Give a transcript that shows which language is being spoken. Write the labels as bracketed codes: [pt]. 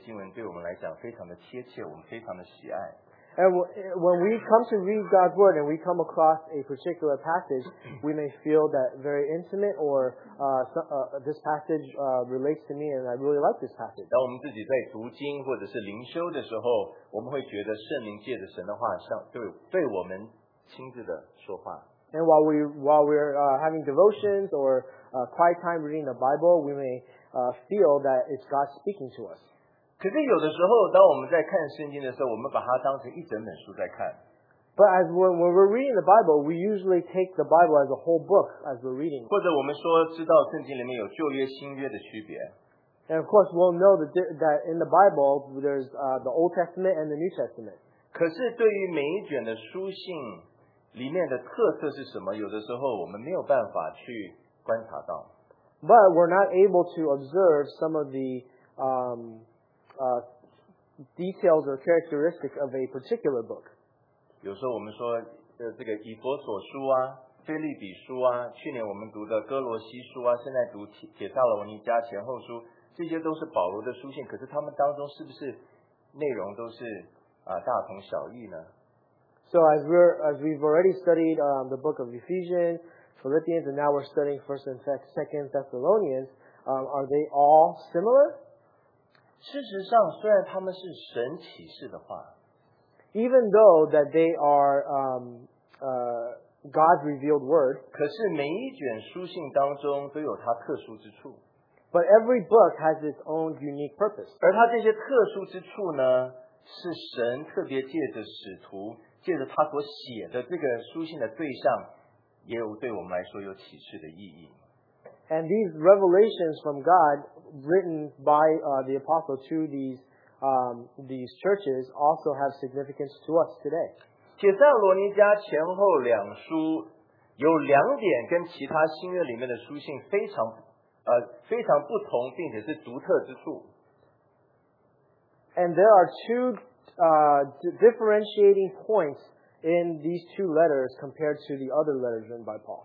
[zh] 然后有的时候呢,我们读到圣经里面的一节经文的时候,我们就觉得这节经文对我们来讲非常的贴切,我们非常的喜爱。 [en] And when we come to read God's word and we come across a particular passage, we may feel that very intimate or this passage relates to me and I really like this passage. [zh] 当我们自己在读经或者是灵修的时候,我们会觉得圣灵借着神的话,对我们亲自的说话。 [en] And while we're having devotions or quiet time reading the Bible, we may feel that it's God speaking to us. [zh] 可是有的时候,当我们在看圣经的时候,我们把它当成一整本书在看。 [en] But as when we're reading the Bible, we usually take the Bible as a whole book as we're reading. [zh] 或者我们说知道圣经里面有旧约新约的区别。 [en] And of course, we'll know that in the Bible, there's the Old Testament and the New Testament. [zh] 可是对于每一卷的书信里面的特色是什么,有的时候我们没有办法去观察到。 [en] But we're not able to observe some of the details or characteristics of a particular book. [zh] 有时候我们说, 这个以弗所书啊, 菲利比书啊, 去年我们读的哥罗西书啊, 现在读铁萨罗尼加前后书, 这些都是保罗的书信, 可是他们当中是不是内容都是, 啊, 大同小异呢? [en] So as we've already studied the book of Ephesians, Philippians, and now we're studying 1st and 2nd Thessalonians, are they all similar? [zh] 事实上,虽然他们是神启示的话, [en] even though that they are God's revealed word, [zh] 可是每一卷书信当中都有它特殊之处, [en] but every book has its own unique purpose. [zh] 而它这些特殊之处呢, 是神特别借着使徒, 借着他所写的这个书信的对象, 也有对我们来说有启示的意义。 [en] And these revelations from God written by the apostle to these churches also have significance to us today. [zh] 帖撒罗尼迦前后两书有两点跟其他新约里面的书信非常不同，并且是独特之处。 [en] And there are two differentiating points in these two letters compared to the other letters written by Paul.